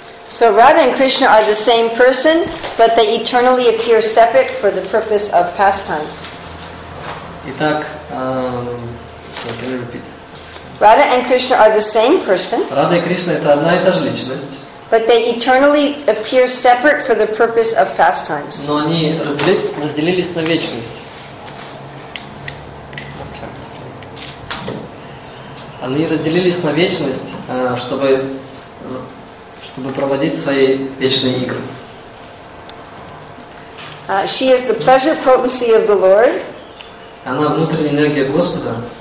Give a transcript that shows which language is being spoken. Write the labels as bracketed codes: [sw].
[en] So Radha and Krishna are the same person, but they eternally appear separate for the purpose of pastimes. [ru] Итак, [en] so can you repeat? Radha and Krishna are the same person. [ru] Radha и Krishna это одна и та же личность. [en] But they eternally appear separate for the purpose of pastimes. [ru] Но они разделились на вечность. Они разделились на вечность, чтобы проводить свои вечные игры. [en] She is the pleasure potency of the Lord. [ru] Она внутренняя энергия Господа.